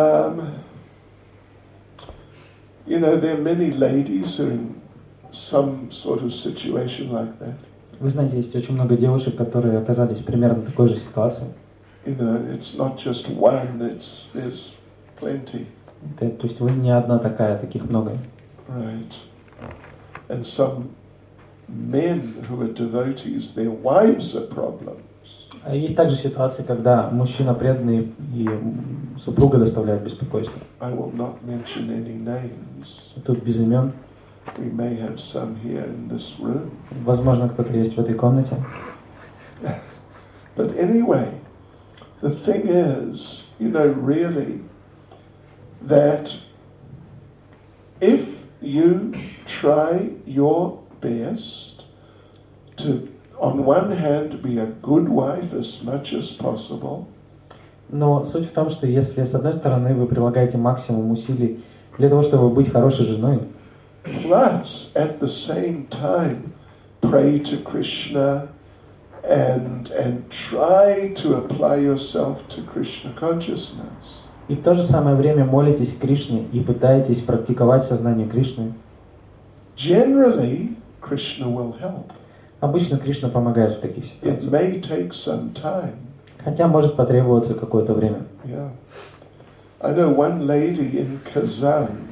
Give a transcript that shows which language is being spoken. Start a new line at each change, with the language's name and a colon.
English: you know, there are many ladies who are in some sort of situation like that.
Russian: Вы знаете, есть очень много девушек, которые оказались примерно в такой же ситуации.
English: You know, it's not just one, there's plenty.
Russian: То есть вы не одна такая, таких много.
English: Right. And some men who are devotees, their wives are problems.
Russian: Есть также ситуации, когда мужчина преданный и супруга доставляют беспокойство.
English: I will not mention any names.
Russian: Тут без имен.
English: We may have some here in this room.
Russian: Возможно, кто-то есть в этой комнате.
English: But anyway, the thing is, you know, really, that if you try your best to on one hand, be a good wife as much as possible.
Russian: Но суть в том, что если с одной стороны вы прилагаете максимум усилий для того, чтобы быть хорошей женой,
English: plus at the same time pray to Krishna and try to apply yourself to Krishna consciousness.
Russian: и в то же самое время молитесь Кришне и пытаетесь практиковать сознание Кришны,
English: generally Krishna will help.
Russian: Обычно Кришна помогает в таких ситуациях.
English: It may take some time.
Russian: Хотя может потребоваться какое-то время.
English: Yeah. I know one lady in Kazan.